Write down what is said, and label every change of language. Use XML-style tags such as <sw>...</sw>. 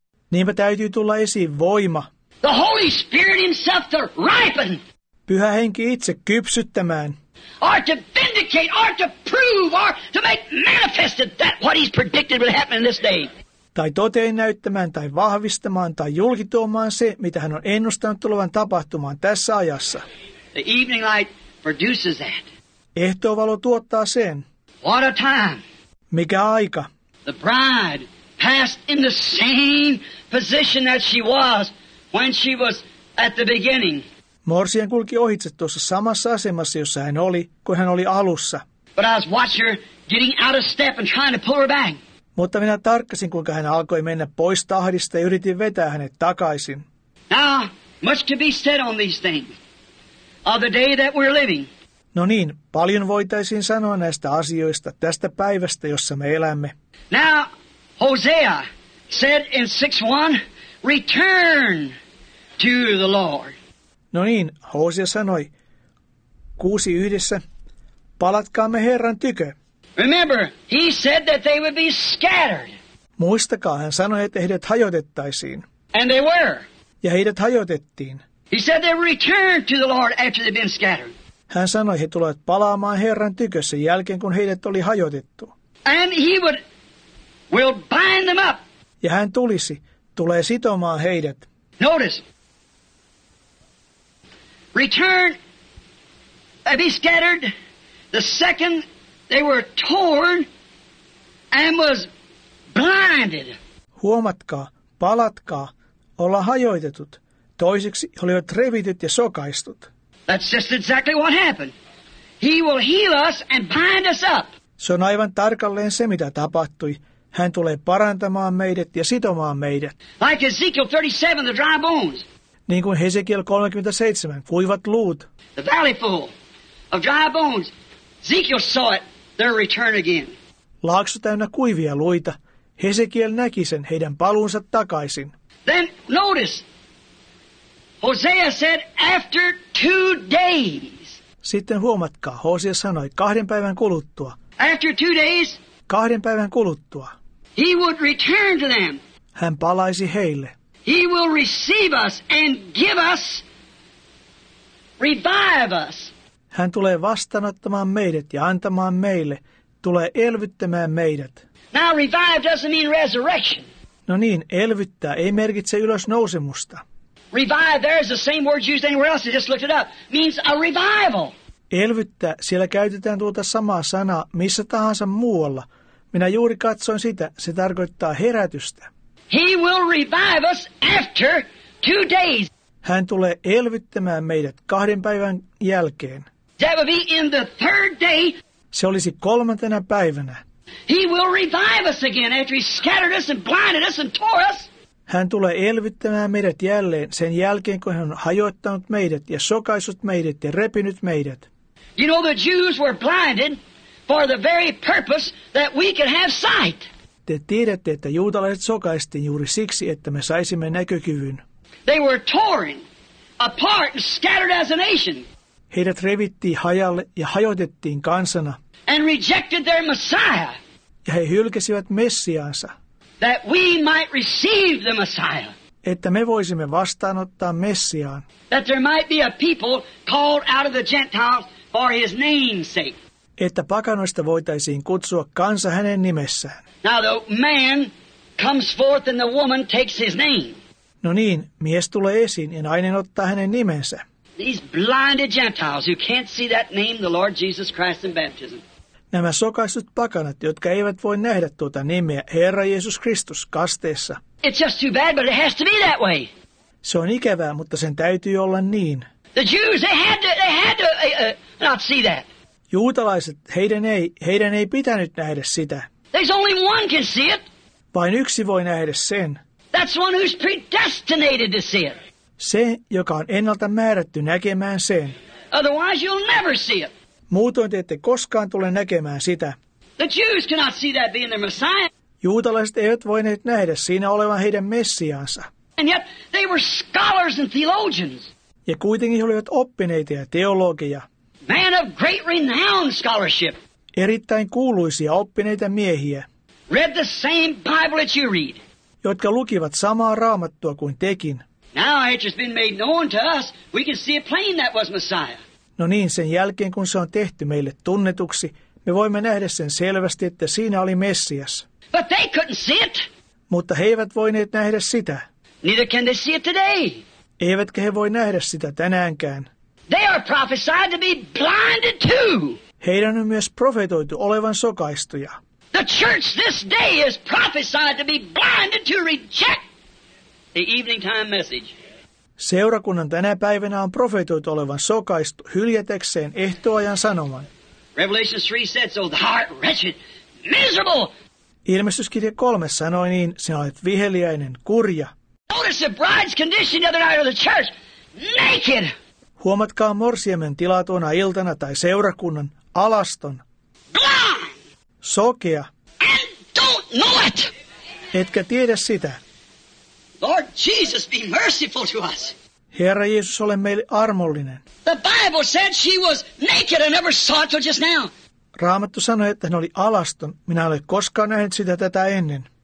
<fi>Niinpä täytyy tulla esiin voima.</fi> <en>The Holy Spirit himself to ripen.</en> <fi>Pyhä Henki itse kypsyttämään.</fi> <en>Or to vindicate, or to prove, or to make manifested that what he's predicted will happen in this day.</en> <fi>Tai toteen näyttämään, tai vahvistamaan, tai julkituomaan se, mitä hän on ennustanut tulevan tapahtumaan tässä ajassa.</fi> <en>The evening light produces that.</en> <fi>Ehtoovalo tuottaa sen.</fi> <en>What a time.</en> <fi>Mikä aika.</fi> <en>The bride passed in the same position that she was when she was at the beginning.</en> <fi>Morsian kulki ohitse tuossa samassa asemassa, jossa hän oli, kun hän oli alussa.</fi> <en>But I was watching her getting out of step and trying to pull her back.</en> <fi>Mutta minä tarkkasin, kuinka hän alkoi mennä pois tahdista ja yritin vetää hänet takaisin.</fi> <en>Now, much to be said on these things of the day that we're living.</en> <fi>No niin, paljon voitaisiin sanoa näistä asioista tästä päivästä, jossa me elämme.</fi> <en>Now, Hosea said in 6:1, return to the Lord.</en> <fi>No niin, Hosea sanoi 6:1, palatkaamme Herran tykö.</fi> <en>Remember, he said that they would be scattered.</en> <fi>Muistakaa, hän sanoi, että heidät hajotettaisiin.</fi> <en>And they were.</en> <fi>Ja heidät hajotettiin.</fi> <en>He said they returned to the Lord after they'd been scattered.</en> <fi>Hän sanoi, he tulevat palaamaan Herran tykössä jälkeen, kun heidät oli hajotettu.</fi> <en>And he will bind them up.</en> <fi>ja hän tulisi, tulee sitomaan heidät.</fi> <en>Notice. Return. Be scattered. The second they were torn and was blinded.</en> <fi>Huomatkaa, palatkaa, olla hajoitetut. Toiseksi he olivat revityt ja sokaistut.</fi> <en>That's just exactly what happened. He will heal us and bind us up.</en> <fi>Se on aivan tarkalleen se, mitä tapahtui. Hän tulee parantamaan meidät ja sitomaan meidät.</fi> <en>Like Ezekiel 37, the dry bones.</en> <fi>Niin kuin Hesekiel 37, kuivat luut.</fi> <en>The valley full of dry bones. Ezekiel saw it, their return again.</en> <fi>Laakso täynnä kuivia luita. Hesekiel näki sen heidän paluunsa takaisin.</fi> <en>Then notice, Hosea said after 2 days.</en> <fi>Sitten huomatkaa, Hosea sanoi 2 päivän kuluttua.</fi> <en>After 2 days.</en> <fi>2 päivän kuluttua.</fi> <en>He would return to them.</en> <fi>Hän palaisi heille.</fi> <en>He will receive us and give us, revive us.</en> <fi>Hän tulee vastaanottamaan meidät ja antamaan meille, tulee elvyttämään meidät.</fi> <en>Now revive doesn't mean resurrection.</en> <fi>No niin, elvyttää ei merkitse ylösnousemusta.</fi> <en>Revive, there is the same word used anywhere else, I just looked it up, means a revival.</en> <fi>Elvyttää, siellä käytetään tuota samaa sanaa missä tahansa muualla. Minä juuri katsoin sitä, se tarkoittaa herätystä.</fi> <en>He will revive us after 2 days.</en> <fi>Hän tulee elvyttämään meidät 2 päivän jälkeen.</fi> <en>That would be in the third day.</en> <fi>Se olisi 3. päivänä.</fi> <en>He will revive us again after he scattered us and blinded us and tore us.</en> <fi>Hän tulee elvyttämään meidät jälleen sen jälkeen, kun hän on hajoittanut meidät ja sokaissut meidät ja repinyt meidät.</fi> <en>You know the Jews were blinded for the very purpose that we could have sight.</en> <fi>Te tiedätte, että juutalaiset sokaistiin juuri siksi, että me saisimme näkökyvyn.</fi> <en>They were torn apart and scattered as a nation.</en> <fi>Heidät revittiin hajalle ja hajotettiin kansana.</fi> <en>And rejected their Messiah.</en> <fi>Ja he hylkäsivät Messiaansa.</fi> <en>That we might receive the Messiah.</en> <fi>Että me voisimme vastaanottaa Messiaan.</fi> <en>That there might be a people called out of the Gentiles for his name's sake.</en> <fi>Että pakanoista voitaisiin kutsua kansa hänen nimessään.</fi> <en>Now the man comes forth and the woman takes his name.</en> <fi>No niin, mies tulee esiin ja nainen ottaa hänen nimensä.</fi> <en>These blinded Gentiles who can't see that name, the Lord Jesus Christ in baptism.</en> <fi>Nämä sokaistut pakanat, jotka eivät voi nähdä tuota nimeä, Herra Jeesus Kristus, kasteessa.</fi> <en>It's just too bad, but it has to be that way.</en> <fi>Se on ikävää, mutta sen täytyy olla niin.</fi> <en>The Jews, they had to not see that.</en> <fi>Juutalaiset, heidän ei pitänyt nähdä sitä.</fi> <en>There's only one can see it.</en> <fi>Vain yksi voi nähdä sen.</fi> <en>That's one who's predestinated to see it.</en> <fi>Se, joka on ennalta määrätty näkemään sen.</fi> <en>Otherwise you'll never see it.</en> <fi>Muutoin te ette koskaan tule näkemään sitä.</fi> <en>The Jews cannot see that being their Messiah.</en> <fi>Juutalaiset eivät voineet nähdä siinä olevan heidän Messiaansa.</fi> <en>And yet they were scholars and theologians.</en> <fi>Ja kuitenkin he olivat oppineita ja teologia.</fi> <en>Man of great renown scholarship.</en> <fi>Erittäin kuuluisia oppineita miehiä.</fi> <en>Read the same Bible that you read.</en> <fi>Jotka lukivat samaa Raamattua kuin tekin.</fi> <en>Now it has been made known to us, we can see it plain that was Messiah.</en> <fi>No niin, sen jälkeen kun se on tehty meille tunnetuksi, me voimme nähdä sen selvästi, että siinä oli Messias.</fi> <en>But they couldn't see it.</en> <fi>Mutta he eivät voineet nähdä sitä.</fi> <en>Neither can they see it today.</en> <fi>Eivätkä he voi nähdä sitä tänäänkään.</fi> <en>They are prophesied to be blinded too.</en> <fi>Heidän on myös profetoitu olevan sokaistuja.</fi> <en>The church this day is prophesied to be blinded to reject the evening time message.</en> <fi>Seurakunnan tänä päivänä on profetoitu olevan sokaistu hyljätekseen ehtoajan sanoman.</fi> <en>Revelation 3 said so, the heart wretched, miserable.</en> <fi>Ilmestyskirja 3 sanoi niin, sinä olet viheliäinen, kurja.</fi> <en>Notice the bride's condition the other night of the church, naked.</en> <fi>Huomatkaa morsiamen tilaa tuona iltana tai seurakunnan, alaston.</fi> <en>Blind.</en> <fi>Sokea.</fi> <en>And don't know it.</en> <fi>Etkä tiedä sitä.</fi> <en>Lord Jesus, be merciful to us.</en> <fi>Herra Jeesus, ole meille armollinen.</fi> <en>The Bible said she was naked and never saw it till just now.</en> <fi>Raamattu sanoi, että hän oli alaston. Minä olen koskaan nähnyt sitä tätä ennen.</fi>